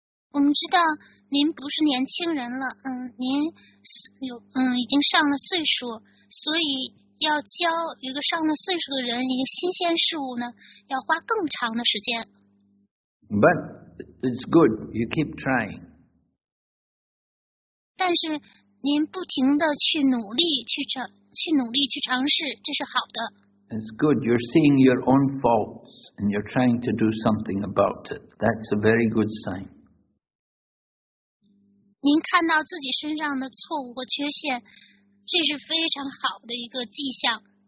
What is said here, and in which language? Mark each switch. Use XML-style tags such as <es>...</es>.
<zh>我们知道您不是年轻人了，您有已经上了岁数，所以要教一个上了岁数的人一个新鲜事物呢，要花更长的时间。</zh> <en>But it's good. You keep trying.</en> <zh>但是您不停的去努力去找。去努力去尝试，这是好的。</zh> <en>It's good. You're seeing your own faults and you're trying to do something about it. That's a very good sign.</en> <zh>您看到自己身上的错误和缺陷，这是非常好的一个迹象。</zh>